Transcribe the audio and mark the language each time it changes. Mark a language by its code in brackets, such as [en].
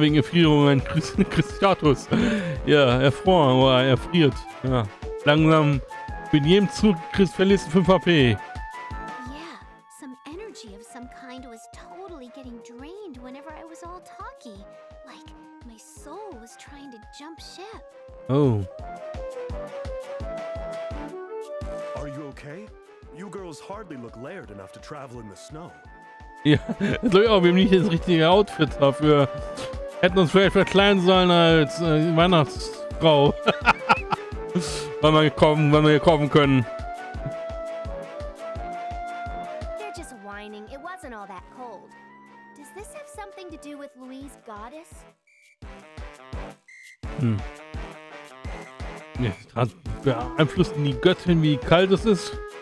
[de] Wegen Erfrierung, ein Christiatus. Ja, erfroren, oder erfriert. Ja. Langsam, mit jedem Zug, Chris verliert 5 HP. [en] Yeah, some energy of some kind was totally getting drained whenever I was all talky. Like, my soul was trying to jump ship. Oh. Are you okay? You girls hardly look layered enough to travel in the snow. [de] Ja, glaube ich auch, wir haben nicht das richtige Outfit dafür. Hätten uns vielleicht verkleiden sollen als Weihnachtsfrau. wenn wir kommen können. [en] They're just whining. It wasn't all that cold. Does this have something to do with Louise Goddess? [de] Ja, das beeinflusst die Göttin, wie kalt es ist.